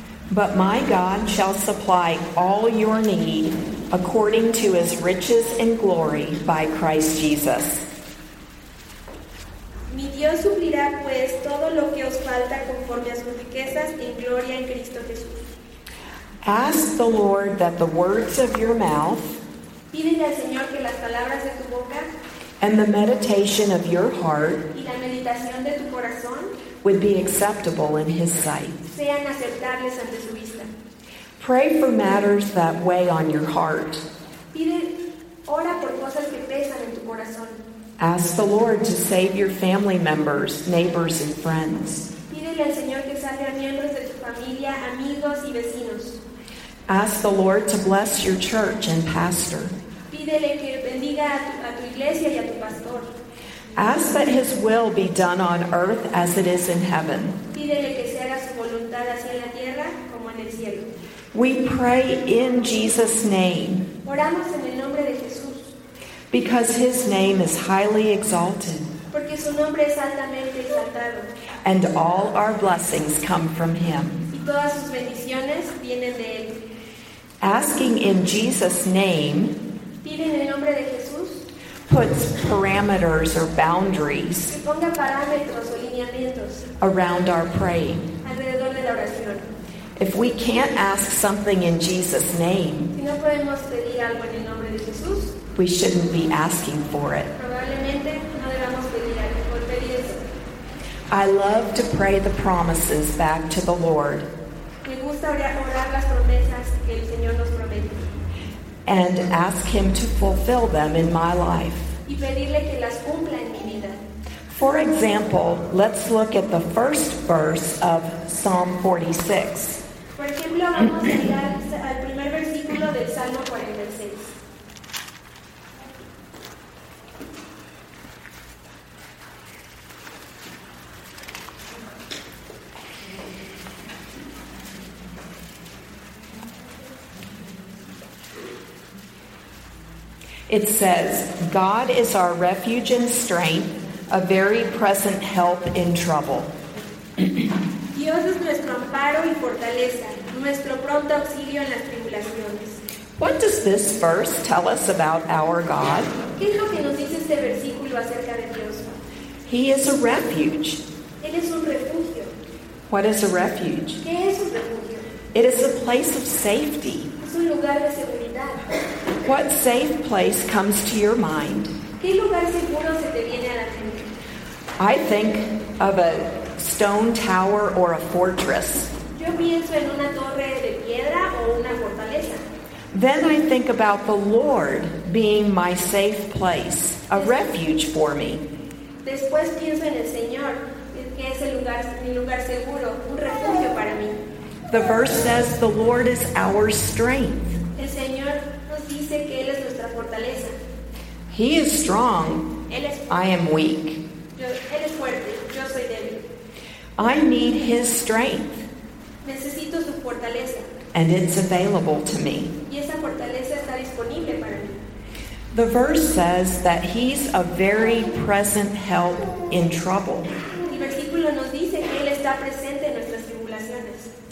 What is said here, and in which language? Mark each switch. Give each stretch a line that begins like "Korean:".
English: But my God shall supply all your need according to his riches and glory by Christ Jesus.
Spanish: Mi Dios suplirá, pues, todo lo que os falta conforme a sus riquezas en gloria en Cristo Jesús.
English: Ask the Lord that the words of your mouth,
Spanish: pídele al Señor que las palabras de tu boca,
English: and the meditation of your heart,
Spanish: y la meditación de tu corazón,
English: would be acceptable in his sight.
Spanish: Sean aceptables ante su vista.
English: Pray for matters that weigh on your heart.
Spanish: Pide, ora por cosas que pesan en tu corazón.
English: Ask the Lord to save your family members, neighbors, and friends.
Spanish: Pídele al Señor que salve a miembros de tu familia, amigos y vecinos.
English: Ask the Lord to bless your church and pastor.
Spanish: Pídele que bendiga a tu iglesia y a tu pastor.
English: Ask that his will be done on earth as it is in heaven.
Spanish: Pídele que se haga su voluntad así en la tierra como en el cielo.
English: We pray in Jesus' name.
Spanish: Oramos en el nombre de Jesús.
English: Because his name is highly exalted.
Spanish: Porque su nombre es altamente exaltado.
English: And all our blessings come from him.
Spanish: Y todas sus bendiciones vienen de él.
English: Asking in Jesus' name,
Spanish: pide en el nombre de Jesús,
English: puts parameters or boundaries,
Spanish: que ponga parámetros o lineamientos,
English: around our praying.
Spanish: Alrededor de la oración.
English: If we can't ask something in Jesus' name,
Spanish: si no podemos pedir algo en el nombre de Jesús,
English: we shouldn't be asking for it.
Spanish: Probablemente no debamos pedir eso.
English: I love to pray the promises back to the Lord.
Spanish: Me gusta orar las promesas que el Señor nos promete.
English: And ask him to fulfill them in my life.
Spanish: Y pedirle que las cumpla en mi vida.
English: For example, let's look at the first verse of Psalm 46.
Spanish: Por ejemplo, vamos a mirar al primer versículo del Salmo 46.
English: It says, God is our refuge and strength, a very present help in trouble.
Spanish: Dios es nuestro amparo y fortaleza, nuestro pronto auxilio en las tribulaciones.
English: What does this verse tell us about our God?
Spanish: ¿Qué es lo que nos dice este versículo acerca de Dios?
English: He is a refuge.
Spanish: Él es un refugio.
English: What is a refuge?
Spanish: ¿Qué es un refugio?
English: It is a place of safety.
Spanish: Es un lugar de seguridad.
English: What safe place comes to your mind?
Spanish: ¿Qué lugar seguro se te viene a la mente?
English: I think of a stone tower or a fortress.
Spanish: Yo pienso en una torre de piedra o una fortaleza.
English: Then I think about the Lord being my safe place, a refuge for me.
Spanish: Después pienso en el Señor, que es el lugar, mi lugar seguro, un refugio para mí.
English: The verse says the Lord is our strength.
Spanish: El Señor nos dice que Él es nuestra fortaleza.
English: He is strong.
Spanish: Él es
English: fuerte. I am weak.
Spanish: Él es fuerte. Yo soy débil.
English: I need His strength.
Spanish: Necesito su fortaleza.
English: And it's available to me.
Spanish: Y esa fortaleza está disponible para mí.
English: The verse says that He's a very present help in trouble.
Spanish: El versículo nos dice que Él está presente en nuestras tribulaciones.